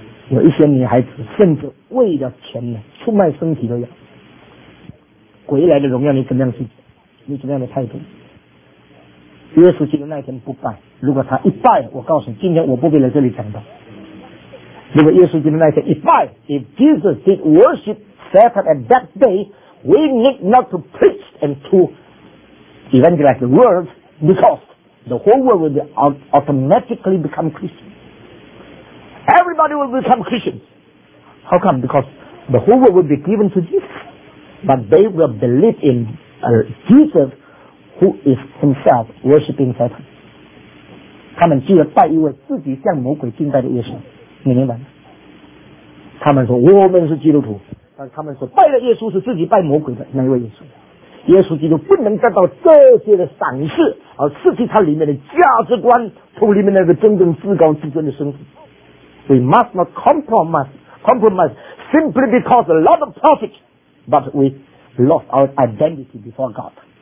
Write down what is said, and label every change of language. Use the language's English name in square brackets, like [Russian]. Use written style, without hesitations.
[Chinese] 有一些女孩子甚至为了钱呢，出卖身体都要。鬼来的荣耀你怎么样去，你怎么样的态度。耶稣基督那天不拜，如果他一拜，我告诉你今天我不必来这里讲道。如果耶稣基督那天一拜， [English] If Jesus did worship Satan at that day, we need not to preach and to evangelize the world, because the whole world will automatically become Christian. Everybody will become Christian. How come? Because the whole world will be given to Jesus. But they will believe in Jesus who is himself worshipping Satan. [Chinese] 他们居然拜一位自己向魔鬼敬拜的耶稣，你明白吗？他们说我们是基督徒，但他们说拜的耶稣是自己拜魔鬼的那一位耶稣。耶稣基督不能得到这些的赏识，而刺激他里面的价值观，从里面那个真正至高至尊的身份。 [English] We must not compromise simply because a lot of profitBut we lost our identity before God.